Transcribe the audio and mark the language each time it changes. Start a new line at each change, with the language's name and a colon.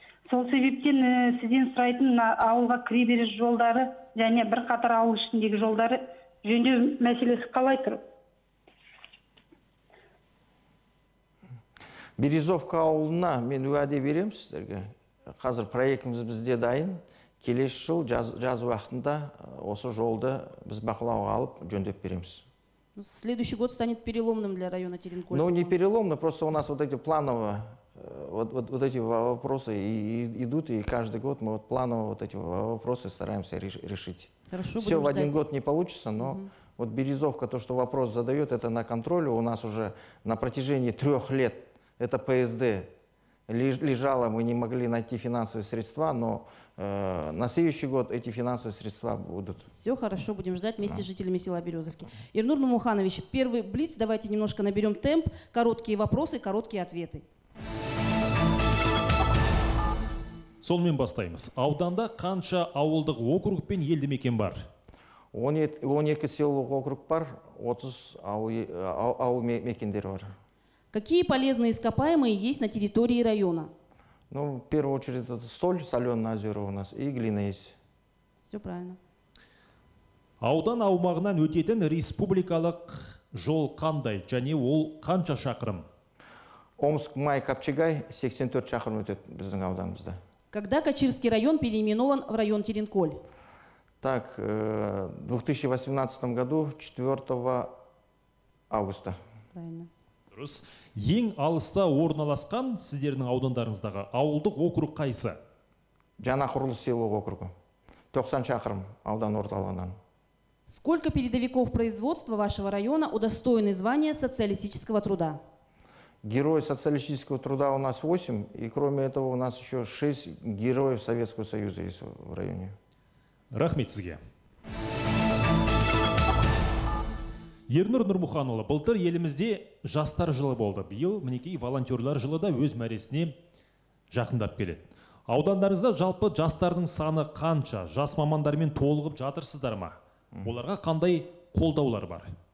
Kazakh: Сол себептен сізден сұрайтын ауылға кіреберіс жолдары және бір қатар ауыл ішіндегі жолдары жөндеу мәселесі қалай тұр? Березовка ауылына мен уәде беремін сіздерге. Қазір проектіміз бізде дайын. Келесі жыл жаз уақытында осы жолды біз бақылауға алып жөндеп береміз.
Russian: Следующий год станет переломным для района Теренкулько. Ну, не переломно, просто у нас вот эти плановые, вот эти вопросы идут, и каждый год мы вот планово вот эти вопросы стараемся решить. Хорошо, все в один год не получится, но вот Березовка, то, что вопрос задает, это на контроле. У нас уже на протяжении 3 лет это ПСД лежало, мы не могли найти финансовые средства, но на следующий год эти финансовые средства будут. Все хорошо, будем ждать вместе с жителями села Березовки. Ирнур Мамуханович, первый блиц, давайте немножко наберем темп. Короткие вопросы, короткие ответы.
Kazakh: Сонымен бастаймыз. Ауданда қанша ауылдық округ пен елді мекен бар? 12 селолық округ бар, 30 ауыл мекендер бар.
Russian: Какие полезные ископаемые есть на территории района? Ну, в первую очередь, это соль, соленое озеро у нас, и глина есть. Все правильно.
Kazakh: Аудан аумағынан өтетін республикалық жол қандай, және ол қанша шақырым? Омск, Май, Капчагай, 84 шақырым өтет біздің ауданымызда.
Russian: Когда Качырский район переименован в район Теренколь? Так, в 2018 году, 4 августа. Правильно.
Kazakh: Дұрыс. Ең алыста орналасқан сіздердің аудандарыңыздағы ауылдық округ қайсы? Жаңа құрылыс селолық округі. 90 шақырым аудан орталығынан.
Russian: Сколько передовиков производства вашего района удостоены звания социалистического труда? Герой социалистического труда у нас 8, и кроме этого у нас еще 6 героев Советского Союза есть в районе.
Kazakh: Рахмет сізге. Ернур Нұрмұханұлы, былтыр елімізде жастар жылы болды. Биыл мінекей волонтерлар жылы да өз мәресіне жақындап келеді. Аудандарыңызда жалпы жастардың саны қанша? Жас мамандармен толығып жатырсыздар ма? Оларға қандай қолдаулар бар?